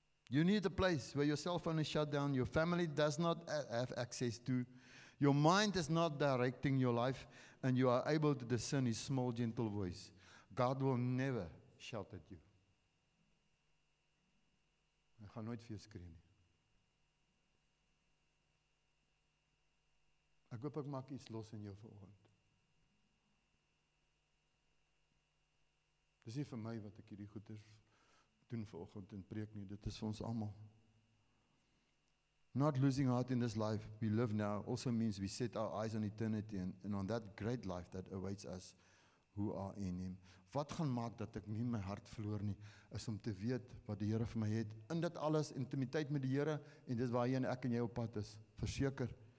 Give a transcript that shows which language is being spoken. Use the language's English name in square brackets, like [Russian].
[English] You need a place where your cell phone is shut down, your family does not have access to. Your mind is not directing your life and you are able to discern His small, gentle voice. God will never shout at you. [Afrikaans] Hy gaan nooit vir jou skree nie. Ek hoop ek maak iets los in jou vanoggend. Dis nie vir my wat ek hierdie goeders doen vanoggend en preek nie. Dit is vir ons allemaal. [English] Not losing heart in this life we live now also means we set our eyes on eternity and on that great life that awaits us who are in Him. [Afrikaans] Wat gaan maak dat ek nie my hart verloor nie, is om te weet wat die Here vir my het. In dit alles, intimiteit met die Here, en dit is waarheen ek en jy op pad is. Verseker.